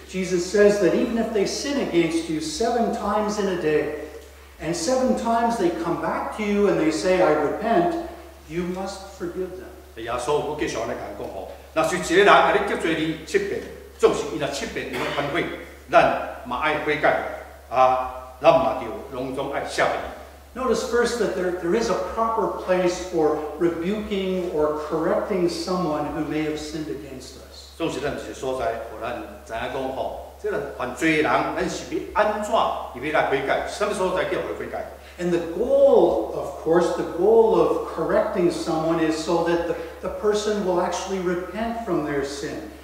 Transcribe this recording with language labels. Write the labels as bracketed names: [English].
[English] Jesus says that even if they sin against you seven times in a day, and seven times they come back to you and they say, I repent, you must forgive them. [Min Nan Chinese] 耶稣佫继续安尼讲吼，若是一个人，啊，你责备伊七遍，总是伊若七遍，伊若反悔，咱嘛爱悔改，啊。 [English] Notice first that there is a proper place for rebuking or correcting someone who may have sinned against us. And the goal, of course, the goal of correcting someone is so that the person will actually repent from their sin.